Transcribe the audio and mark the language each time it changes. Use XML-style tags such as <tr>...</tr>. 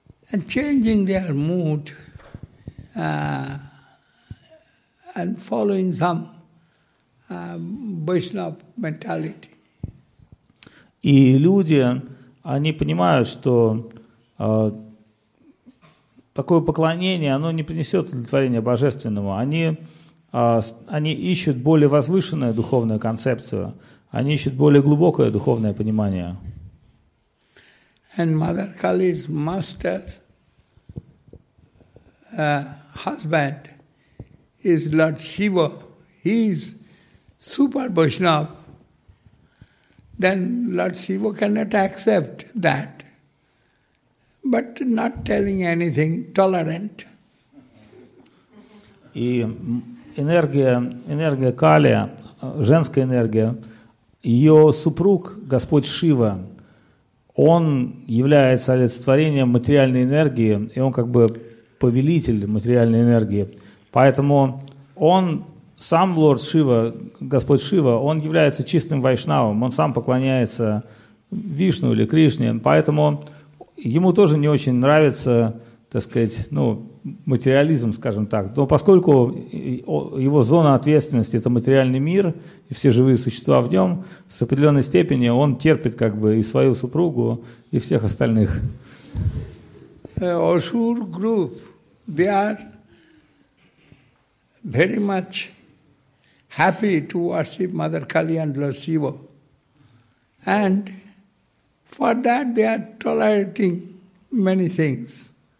<en>And changing their mood and following some Vaishnava mentality.</en> <ru>И люди, они понимают, что такое поклонение, оно не принесет удовлетворения божественному. Они ищут более возвышенную духовную концепцию. Они ищут более глубокое духовное понимание.</ru> <en>And Mother Kali's master, husband, is Lord Shiva. He is super Vaishnava. Then Lord Shiva cannot accept that, but not telling anything, tolerant.</en> <ru>И энергия Кали, женская энергия, ее супруг, Господь Шива, он является олицетворением материальной энергии, и он как бы повелитель материальной энергии. Поэтому он сам лорд Шива, Господь Шива, он является чистым вайшнавом, он сам поклоняется Вишну или Кришне, поэтому ему тоже не очень нравится, так сказать, ну, материализм, скажем так. Но поскольку его зона ответственности – это материальный мир, и все живые существа в нем, с определенной степени он терпит как бы и свою супругу, и всех остальных.</ru> <en>Asura group, they are very much happy to worship Mother Kali and Lord Shiva. And for that they are tolerating many things.</en>